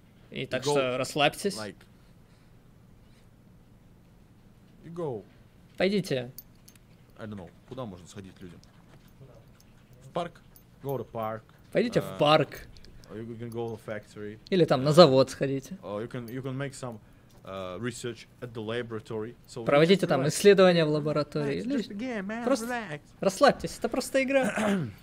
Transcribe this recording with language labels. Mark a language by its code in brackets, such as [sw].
[ru] И так что расслабьтесь. Пойдите. Куда можно сходить людям? [en] Парк? Go to park. [ru] Пойдите в парк. [en] Or you can go to factory. [ru] Или там на завод сходите. [en] Or you can make some research at the laboratory. [ru] So проводите там исследования в лаборатории. [en] It's just a game, man. [ru] Просто [en] relax. [ru] Расслабьтесь, это просто игра.